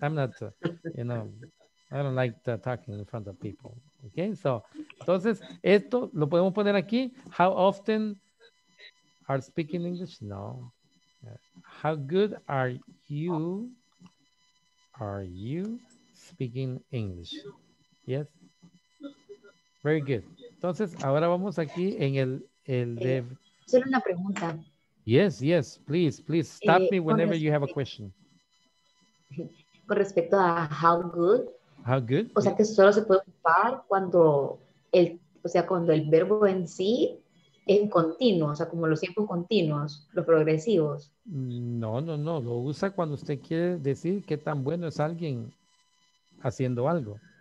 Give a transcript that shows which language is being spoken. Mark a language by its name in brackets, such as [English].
[English] I'm not, I don't like talking in front of people. Okay, so, [Spanish] entonces, esto lo podemos poner aquí. [English] How often are speaking English? No. How good are you speaking English? Yes. Very good. [Spanish] Entonces, ahora vamos aquí en el de... Solo una pregunta. [English] Yes, yes. Please stop me whenever you have a question. [Spanish] Con respecto a [English] how good? [Spanish] O sea, que solo se puede ocupar cuando el verbo en sí es continuo, o sea, como los tiempos continuos, los progresivos. No. Lo usa cuando usted quiere decir qué tan bueno es alguien haciendo algo.